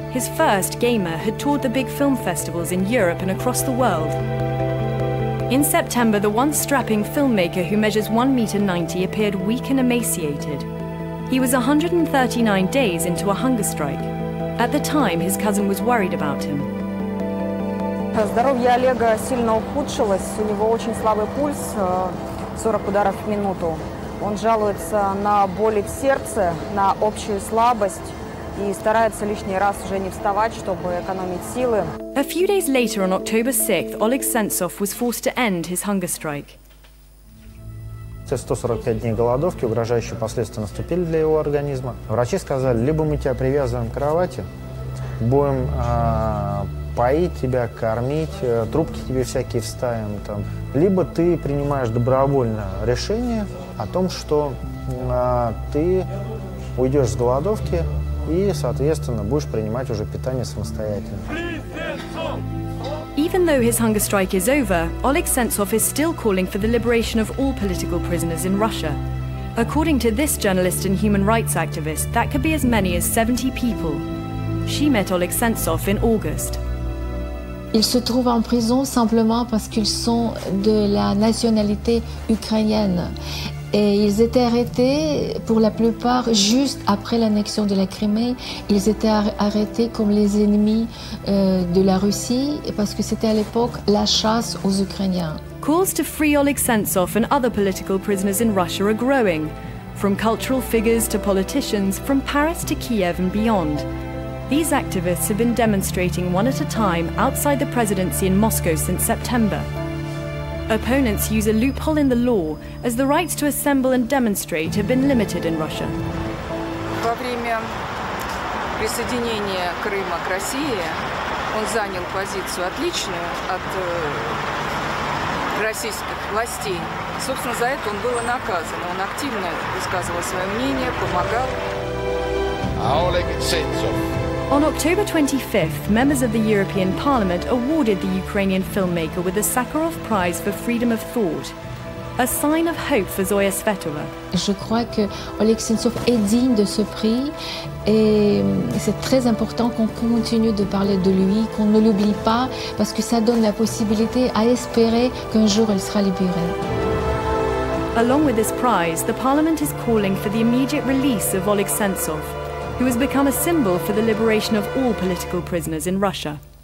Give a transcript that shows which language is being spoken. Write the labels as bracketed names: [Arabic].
[English] His first, Gamer, had toured the big film festivals in Europe and across the world. In September, the once strapping filmmaker who measures 1.90 meters appeared weak and emaciated. He was 139 days into a hunger strike. At the time, his cousin was worried about him. [Russian] Здоровье Олега сильно ухудшилось, у него очень слабый пульс, 40 ударов в минуту. Он жалуется на боли в сердце, на общую слабость и старается лишний раз уже не вставать, чтобы экономить силы. [English] A few days later, on October 6th, Oleg Sentsov was forced to end his hunger strike. [Russian] 145 дней голодовки, угрожающие последствия наступили для его организма. Врачи сказали, либо мы тебя привязываем к кровати, будем поить тебя, кормить, трубки тебе всякие вставим там. Либо ты принимаешь добровольно решение о том, что ты уйдешь с голодовки и, соответственно, будешь принимать уже питание самостоятельно. [English] Even though his hunger strike is over, Oleg Sentsov is still calling for the liberation of all political prisoners in Russia. According to this journalist and human rights activist, that could be as many as 70 people. She met Oleg Sentsov in August. [French] Ils se trouvent en prison simplement parce qu'ils sont de la nationalité ukrainienne. Et ils étaient arrêtés, pour la plupart, juste après l'annexion de la Crimée. Ils étaient arrêtés comme les ennemis de la Russie, parce que c'était à l'époque la chasse aux Ukrainiens. [English] Calls to free Oleg Sentsov and other political prisoners in Russia are growing. From cultural figures to politicians, from Paris to Kiev and beyond. These activists have been demonstrating one at a time outside the presidency in Moscow since September. Opponents use a loophole in the law, as the rights to assemble and demonstrate have been limited in Russia. [Russian] Во время присоединения Крыма к России он занял позицию отличную от российских властей. Собственно, за это он был и наказан. Он активно высказывал свое мнение, помогал. Олег Сенцов. [English] On October 25th, members of the European Parliament awarded the Ukrainian filmmaker with the Sakharov Prize for Freedom of Thought, a sign of hope for Zoya Svetova. [French] Je crois que Oleg Sentsov est digne de ce prix et c'est très important qu'on continue de parler de lui, qu'on ne l'oublie pas parce que ça donne la possibilité à espérer qu'un jour il sera libéré. [English] Along with this prize, the Parliament is calling for the immediate release of Oleg Sentsov, who has become a symbol for the liberation of all political prisoners in Russia.